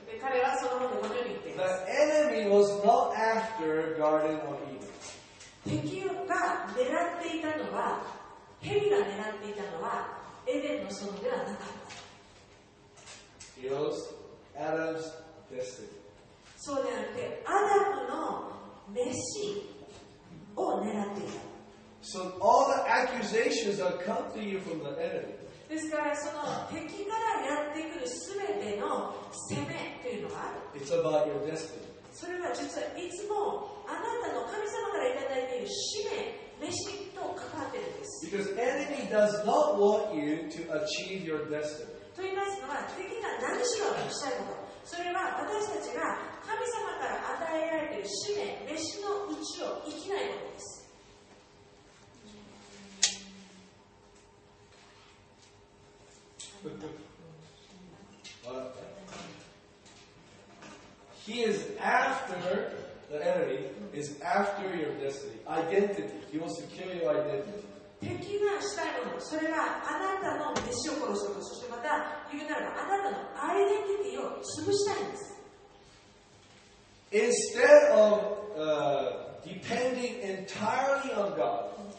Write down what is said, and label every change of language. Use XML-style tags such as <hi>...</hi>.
<en>The enemy was not after Garden of Eden.</en> <ja>敵が狙っていたのは、蛇が狙っていたのは、エデンの園ではなかった。</ja> <en>He knows Adam's destiny.</en> <ja>そうではなくて、アダムの召し。を狙っていた。</ja> <en>So all the accusations that come to you from the enemy.</en> <ja>ですからその敵からやってくるすべての責めというのは、</ja> <en>It's about your destiny.</en> <ja>それは実はいつもあなたの神様からいただいている使命。</ja> <en>Because enemy does not want you to achieve your destiny.</en> <ja>と言いますのは、敵が何しようとしたいこと、それは私たちが神様から与えられている使命、召しの道を生きないことです。</ja> <en>He is after the enemy is after your destiny. Identity. He wants to kill your identity.</en> <ja>敵がしたいもの、それはあなたの弟子を殺すこと、そしてまた言うならばあなたのアイデンティティを潰したいんです。</ja> <en>Instead of depending entirely on God.</en>